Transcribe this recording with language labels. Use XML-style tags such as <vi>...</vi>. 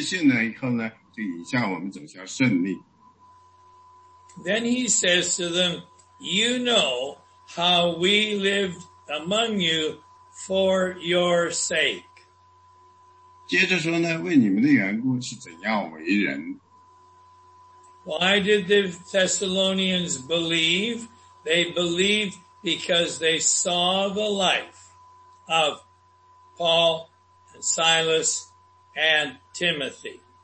<zh>因为这个呢，你让神的言语在我们的心里做工，有权呢，让圣灵呢在心里，在我们的心里教导我们，这样呢，让我们带领我们去确信，让我们确信了以后呢，就引向我们走向胜利。</zh> <en>Then he says to them, "You know how we lived among you for your sake."</en> <zh>接着说呢，为你们的缘故是怎样为人？</zh> <en>Why did the Thessalonians believe? They believed because they saw the life of Paul and Silas and Timothy.</en>